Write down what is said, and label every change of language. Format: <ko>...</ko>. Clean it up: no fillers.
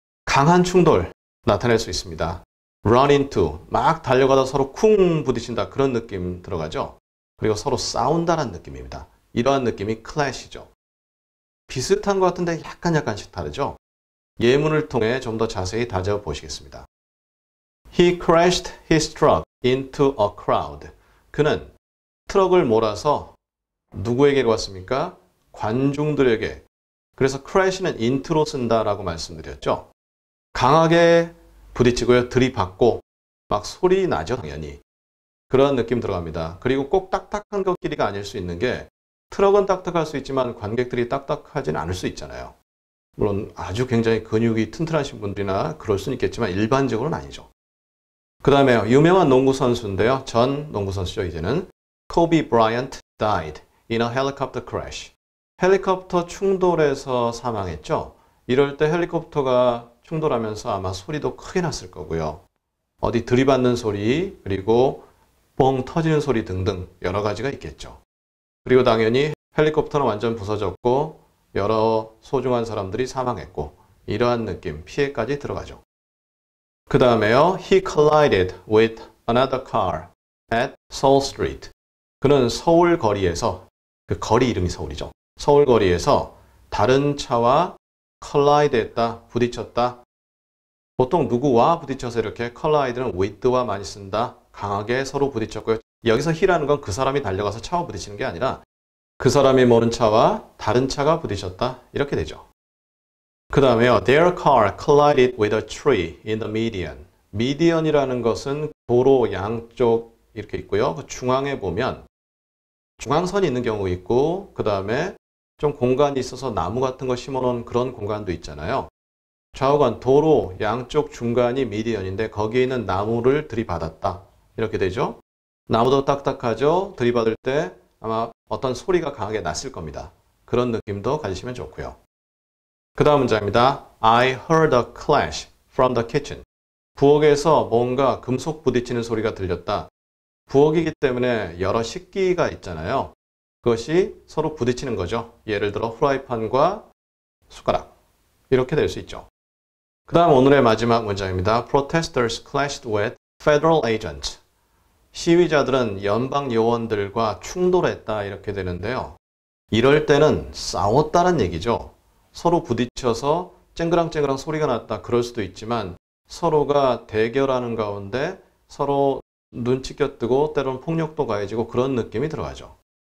<ko>강한 충돌 나타낼 수 있습니다. run into, 막 달려가다 서로 쿵 부딪힌다 그런 느낌 들어가죠. 그리고 서로 싸운다라는 느낌입니다. 이러한 느낌이 clash죠. 비슷한 것 같은데 약간씩 다르죠? 예문을 통해 좀 더 자세히 다져보시겠습니다.</ko> <en>He crashed his truck into a crowd.</en> <ko>그는 트럭을 몰아서 누구에게 왔습니까? 관중들에게. 그래서 crash는 into로 쓴다라고 말씀드렸죠. 강하게 부딪히고요, 들이받고 막 소리 나죠, 당연히. 그런 느낌 들어갑니다. 그리고 꼭 딱딱한 것끼리가 아닐 수 있는 게 트럭은 딱딱할 수 있지만 관객들이 딱딱하진 않을 수 있잖아요. 물론 아주 굉장히 근육이 튼튼하신 분들이나 그럴 수는 있겠지만 일반적으로는 아니죠. 그 다음에 유명한 농구 선수인데요. 전 농구 선수죠. 이제는</ko> <en>Kobe Bryant died in a helicopter crash.</en> <ko>헬리콥터 충돌에서 사망했죠. 이럴 때 헬리콥터가 충돌하면서 아마 소리도 크게 났을 거고요. 어디 들이받는 소리 그리고 뻥 터지는 소리 등등 여러 가지가 있겠죠. 그리고 당연히 헬리콥터는 완전 부서졌고 여러 소중한 사람들이 사망했고 이러한 느낌, 피해까지 들어가죠. 그 다음에요.</ko> <en>He collided with another car at Seoul Street.</en> <ko>그는 서울 거리에서, 그 거리 이름이 서울이죠. 서울 거리에서 다른 차와 collide했다, 부딪혔다. 보통 누구와 부딪혀서 이렇게 collide는 with와 많이 쓴다. 강하게 서로 부딪혔고요. 여기서 he라는 건 그 사람이 달려가서 차와 부딪히는 게 아니라 그 사람이 모른 차와 다른 차가 부딪혔다. 이렇게 되죠. 그 다음에요.</ko> <en>Their car collided with a tree in the median.</en> <ko>median이라는 것은 도로 양쪽 이렇게 있고요. 그 중앙에 보면 중앙선이 있는 경우 있고 그 다음에 좀 공간이 있어서 나무 같은 거 심어놓은 그런 공간도 있잖아요. 좌우간 도로 양쪽 중간이 median인데 거기에 있는 나무를 들이받았다. 이렇게 되죠. 나무도 딱딱하죠. 들이받을 때 아마 어떤 소리가 강하게 났을 겁니다. 그런 느낌도 가지시면 좋고요. 그 다음 문장입니다.</ko> <en>I heard a clash from the kitchen.</en> <ko>부엌에서 뭔가 금속 부딪히는 소리가 들렸다. 부엌이기 때문에 여러 식기가 있잖아요. 그것이 서로 부딪히는 거죠. 예를 들어 후라이팬과 숟가락. 이렇게 될 수 있죠. 그 다음 오늘의 마지막 문장입니다.</ko> <en>Protesters clashed with federal agents.</en> <ko>시위자들은 연방 요원들과 충돌했다 이렇게 되는데요. 이럴 때는 싸웠다는 얘기죠. 서로 부딪혀서 쨍그랑쨍그랑 소리가 났다 그럴 수도 있지만 서로가 대결하는 가운데 서로 눈치 껴뜨고 때로는 폭력도 가해지고 그런 느낌이 들어가죠.</ko>